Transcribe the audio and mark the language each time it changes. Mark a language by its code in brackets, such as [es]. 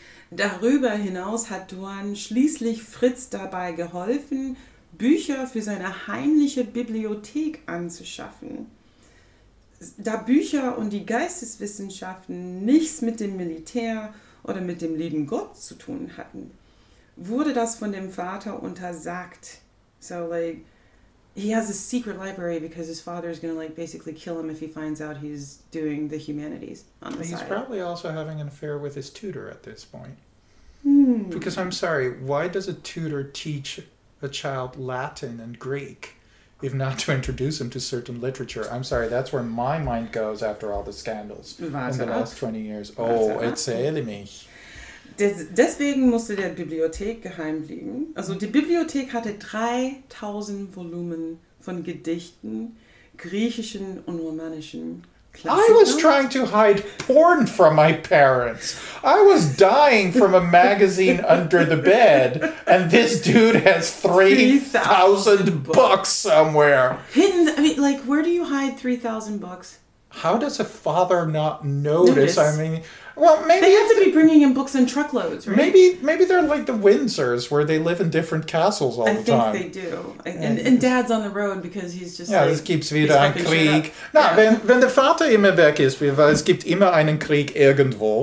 [de] Darüber hinaus hat Duan schließlich Fritz dabei geholfen, Bücher für seine heimliche Bibliothek anzuschaffen. Da Bücher und die Geisteswissenschaften nichts mit dem Militär oder mit dem lieben Gott zu tun hatten, wurde das von dem Vater untersagt. [en] So, like, he has a secret library because his father is going to, like, basically kill him if he finds out he's doing the humanities on the he's side. He's probably also having an affair with his tutor at this point. Hmm. Because, I'm sorry, why does a tutor teach a child Latin and Greek? If not to introduce him to certain literature. I'm sorry, that's where my mind goes after all the scandals in the last 20 years. [de] Oh, erzähle mich. Deswegen musste der Bibliothek geheim liegen. Also die Bibliothek hatte 3000 Volumen von Gedichten, griechischen und romanischen [en] Klassiker. I was trying to hide porn from my parents. I was dying from a magazine under the bed, and this dude has 3,000 books somewhere. Hidden, I mean, like, where do you hide 3,000 books? How does a father not notice? I mean, well, maybe... They have to be bringing in books in truckloads, right? Maybe they're like the Windsors, where they live in different castles all I the time. I think they do. And Dad's on the road because he's just, yeah, like, [de] es gibt wieder einen Krieg. Na, yeah. wenn der Vater immer weg ist, weil es gibt immer einen Krieg irgendwo,